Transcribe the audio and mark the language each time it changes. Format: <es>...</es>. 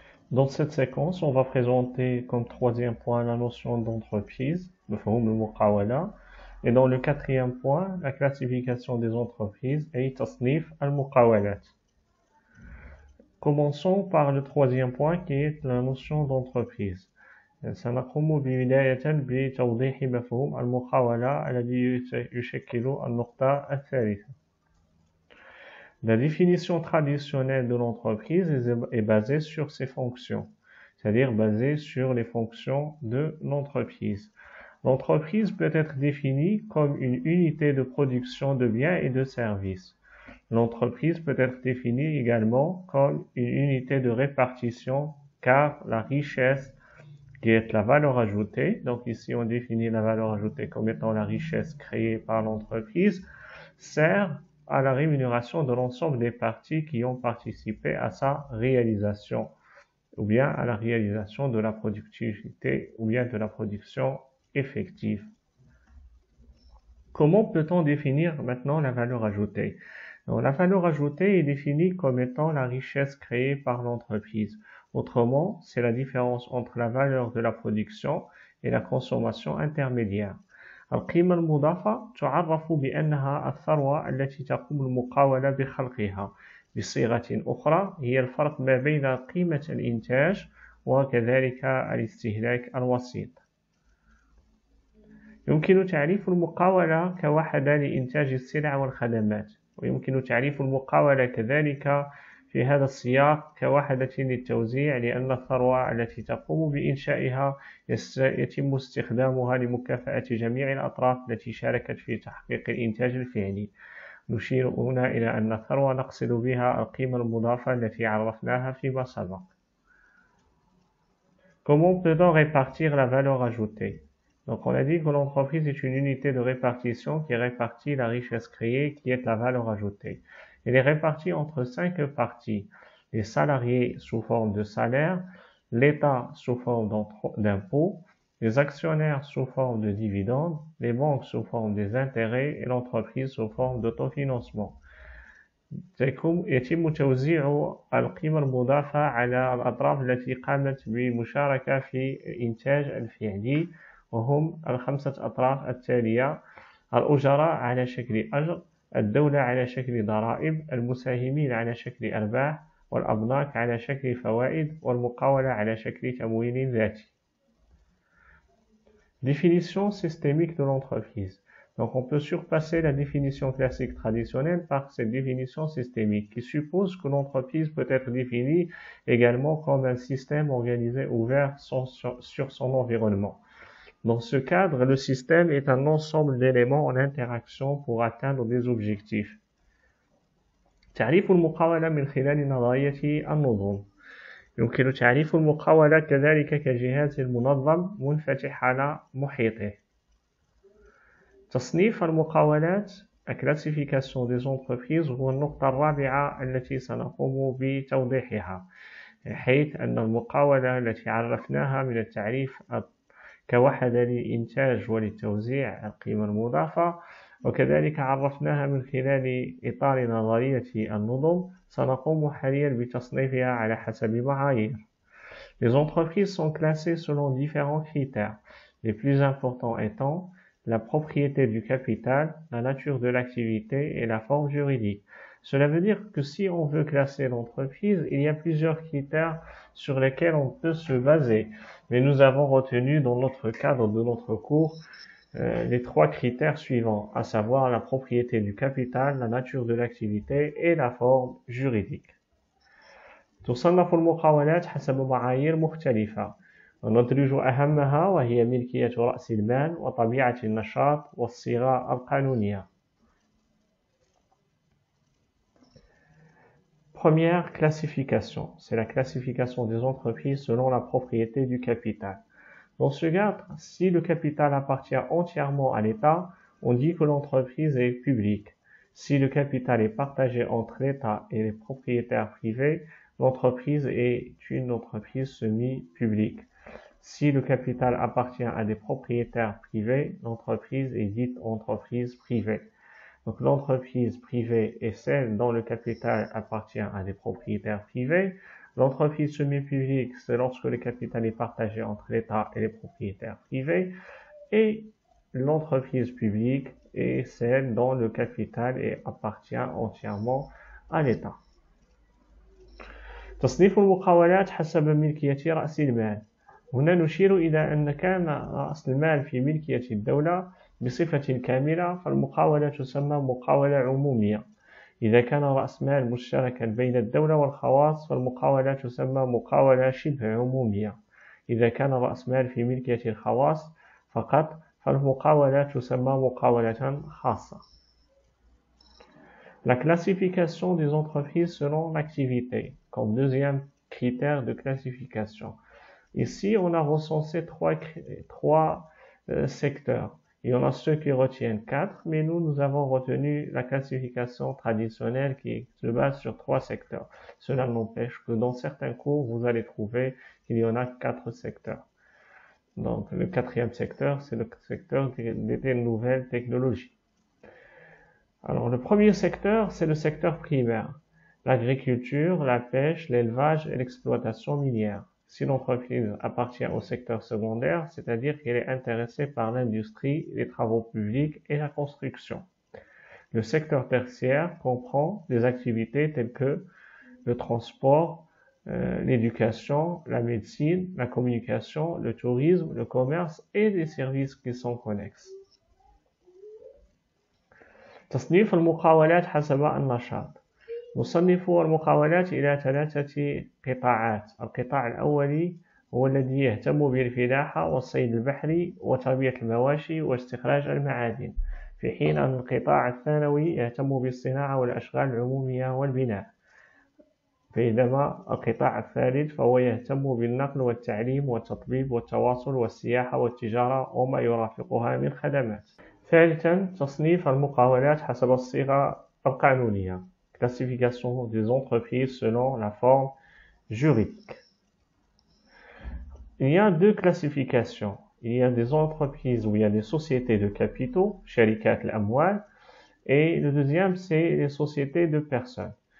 <fr>Dans cette séquence, on va présenter comme troisième point la notion d'entreprise, le fameux muqawala, et dans le quatrième point, la classification des entreprises et tasnif al-muqawalat. Commençons par le troisième point qui est la notion d'entreprise.</fr> <ar>سنقوم ببداية بتوضيح مفهوم المقاولة الذي يشكل النقطة الثالثة.</ar> <fr>La définition traditionnelle de l'entreprise est basée sur ses fonctions, c'est-à-dire basée sur les fonctions de l'entreprise. L'entreprise peut être définie comme une unité de production de biens et de services. L'entreprise peut être définie également comme une unité de répartition, car la richesse qui est la valeur ajoutée, donc ici on définit la valeur ajoutée comme étant la richesse créée par l'entreprise, sert à la rémunération de l'ensemble des parties qui ont participé à sa réalisation, ou bien à la réalisation de la productivité, ou bien de la production effective. Comment peut-on définir maintenant la valeur ajoutée? Donc, la valeur ajoutée est définie comme étant la richesse créée par l'entreprise. Autrement, c'est la différence entre la valeur de la production et la consommation intermédiaire.</fr> <ar>القيمة المضافة تعرف بأنها الثروة التي تقوم المقاولة بخلقها بصيغة أخرى هي الفرق ما بين قيمة الإنتاج وكذلك الاستهلاك الوسيط. يمكن تعريف المقاولة كوحدة لإنتاج السلع والخدمات ويمكن تعريف المقاولة كذلك في هذا السياق كوحدة للتوزيع لأن الثروة التي تقوم بإنشائها يتم استخدامها لمكافأة جميع الأطراف التي شاركت في تحقيق الإنتاج الفعلي. نشير هنا إلى أن الثروة نقصد بها القيمة المضافة التي عرفناها فيما سبق.</ar> <fr>Comment peut-on répartir la valeur ajoutée? Donc on a dit que l'entreprise est une unité de répartition qui répartit la richesse créée qui est la valeur ajoutée. Elle est répartie entre cinq parties. Les salariés sous forme de salaire, l'État sous forme d'impôts, les actionnaires sous forme de dividendes, les banques sous forme des intérêts et l'entreprise sous forme d'autofinancement.</fr> <ar>يتم توزيع القيمة المضافة على الأطراف التي قامت بمشاركة في الإنتاج الفعلي وهم الخمسة أطراف التالية: الأجراء على شكل أجر، الدولة على شكل ضرائب، المساهمين على شكل أرباح، والأبناك على شكل فوائد، والمقاولة على شكل تمويل ذاتي.</ar> <fr>Définition systémique de l'entreprise. Donc on peut surpasser la définition classique traditionnelle par cette définition systémique qui suppose que l'entreprise peut être définie également comme un système organisé ouvert sur son environnement. Dans ce cadre, le système est un ensemble d'éléments en interaction pour atteindre des objectifs.</fr> <ar>تعريف المقاولة من خلال نظرية النظم. يمكن تعريف المقاولة كذلك كجهاز منظم منفتح على محيطه. تصنيف المقاولات,</ar> <fr>la classification des entreprises,</fr> <ar>هو النقطة الرابعة التي سنقوم بتوضيحها. حيث أن المقاولة التي عرفناها من التعريف كوحدة للإنتاج ولتوزيع القيمة المضافة وكذلك عرفناها من خلال إطار نظرية النظم سنقوم حاليا بتصنيفها على حسب معايير.</ar> <fr>Les entreprises sont classées selon différents critères, les plus importants étant la propriété du capital, la nature de l'activité et la forme juridique. Cela veut dire que si on veut classer l'entreprise, il y a plusieurs critères sur lesquels on peut se baser. Mais nous avons retenu dans notre cadre de notre cours les trois critères suivants, à savoir la propriété du capital, la nature de l'activité et la forme juridique.</fr> <ar>تصنف المقاولات حسب معايير مختلفة. ندرج أهمها وهي ملكية رأس المال وطبيعة النشاط والصيغة القانونية.</ar> <fr>Première classification, c'est la classification des entreprises selon la propriété du capital. Dans ce cadre, si le capital appartient entièrement à l'État, on dit que l'entreprise est publique. Si le capital est partagé entre l'État et les propriétaires privés, l'entreprise est une entreprise semi-publique. Si le capital appartient à des propriétaires privés, l'entreprise est dite entreprise privée. Donc l'entreprise privée est celle dont le capital appartient à des propriétaires privés. L'entreprise semi-publique, c'est lorsque le capital est partagé entre l'État et les propriétaires privés. Et l'entreprise publique est celle dont le capital appartient entièrement à l'État.</fr> <ar>تصنيف المقاولات حسب ملكية رأس المال. هنا نشير إلى أن كان رأس المال في ملكية الدولة بصفة كاملة، فالمقاولة تسمى مقاولة عمومية. إذا كان رأس مال مشتركا بين الدولة والخواص، فالمقاولة تسمى مقاولة شبه عمومية. إذا كان رأس مال في ملكية الخواص فقط، فالمقاولة تسمى مقاولة خاصة.</ar> <fr>La classification des entreprises selon l'activité, comme deuxième critère de classification. Ici, on a recensé trois secteurs. Il y en a ceux qui retiennent quatre, mais nous avons retenu la classification traditionnelle qui se base sur trois secteurs. Cela n'empêche que dans certains cours, vous allez trouver qu'il y en a quatre secteurs. Donc, le quatrième secteur, c'est le secteur des nouvelles technologies. Alors, le premier secteur, c'est le secteur primaire. L'agriculture, la pêche, l'élevage et l'exploitation minière. Si l'entreprise appartient au secteur secondaire, c'est-à-dire qu'elle est intéressée par l'industrie, les travaux publics et la construction. Le secteur tertiaire comprend des activités telles que le transport, l'éducation, la médecine, la communication, le tourisme, le commerce et les services qui sont connexes.</fr> <ar>تصنيف المقاولات حسب النشاط. نصنف المقاولات إلى ثلاثة قطاعات. القطاع الأولي هو الذي يهتم بالفلاحة والصيد البحري وتربية المواشي واستخراج المعادن، في حين أن القطاع الثانوي يهتم بالصناعة والأشغال العمومية والبناء، بينما القطاع الثالث فهو يهتم بالنقل والتعليم والتطبيب والتواصل والسياحة والتجارة وما يرافقها من خدمات. ثالثا تصنيف المقاولات حسب الصيغة القانونية</ar> <fr>Classification des entreprises selon la forme juridique. Il y a deux classifications. Il y a des entreprises où il y a des sociétés de capitaux, sharikat al-amwal, et le deuxième, c'est les sociétés de personnes.</fr>